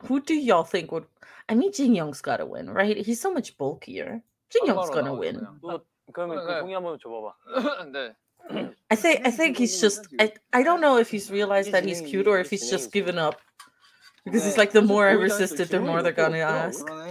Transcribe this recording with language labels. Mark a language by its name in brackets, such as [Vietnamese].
[English] Who do y'all think would? I mean, Jin Young's gotta win, right? He's so much bulkier. Jin Young's gonna win. [Korean] 그러면 네. 그 동의 한번 줘봐봐. 네. [English] I think he's just I don't know if he's realized that he's cute or if he's just given up. Because it's like the more I resist it, the more they're gonna ask.